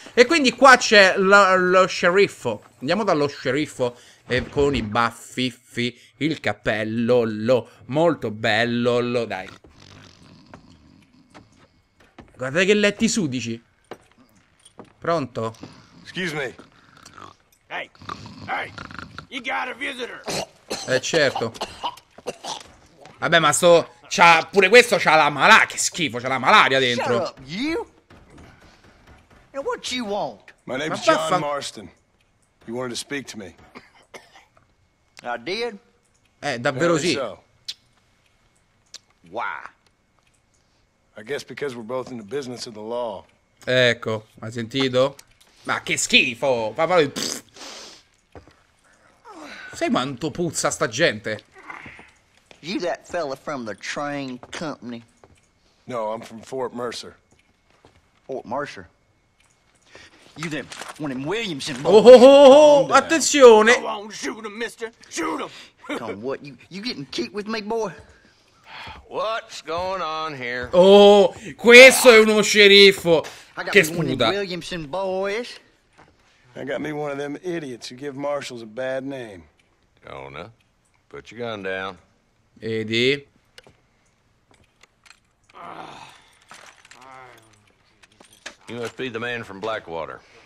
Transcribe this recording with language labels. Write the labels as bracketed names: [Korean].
[Italian] E quindi qua c'è lo sceriffo. Andiamo dallo sceriffo, con i baffiffi, il cappello, molto bello, dai. Guardate che letti sudici. Pronto? [English] Excuse me. Hey, hey, you got a visitor. [Italian] Certo. Vabbè, ma sto... C'ha... Pure questo c'ha la malaria. Che schifo, c'ha la malaria dentro. [English] Shut up, you? And what you want? My name's John Marston. You wanted to speak to me. I did? [Italian] Davvero sì. [English] Why? I guess because we're both in the business of the law. [Italian] Ecco, hai sentito? Ma che schifo! Sai quanto puzza sta gente? [English] You that fella from the train company? No, I'm from Fort Mercer. Fort Mercer? You them, one of Williamson [Italian] boys. Oh, attenzione! [English] Go on, shoot him, mister! Shoot him! Come what? You getting cute with me, boy? What's going on here? [Italian] Oh, questo è uno sceriffo! Che sputa! [English] I got one of them Williamson boys. I got me one of them idiots who give marshals a bad name. Jonah, put your gun down. Edi. You must be the man from Blackwater.